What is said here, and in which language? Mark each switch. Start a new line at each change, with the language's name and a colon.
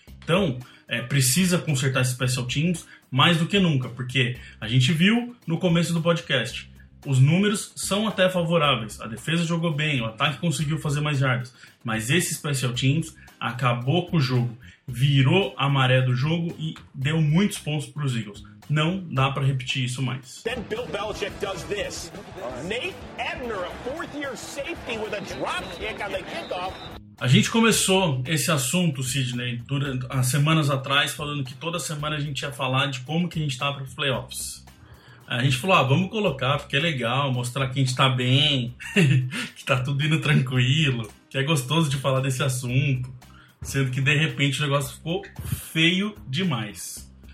Portuguese: Então, precisa consertar esses special teams mais do que nunca, porque a gente viu no começo do podcast, os números são até favoráveis, a defesa jogou bem, o ataque conseguiu fazer mais jardas, mas esse special teams acabou com o jogo, virou a maré do jogo e deu muitos pontos para os Eagles. Não dá para repetir isso mais.
English: Then Bill Belichick does this. Nate Ebner, a fourth year safety with a drop kick on the kickoff.
Portuguese: A gente começou esse assunto, Sidney, durante as semanas atrás, falando que toda semana a gente ia falar de como que a gente estava para os playoffs. A gente falou, vamos colocar, porque é legal, mostrar que a gente está bem, que está tudo indo tranquilo, que é gostoso de falar desse assunto, sendo que, de repente, o negócio ficou feio demais.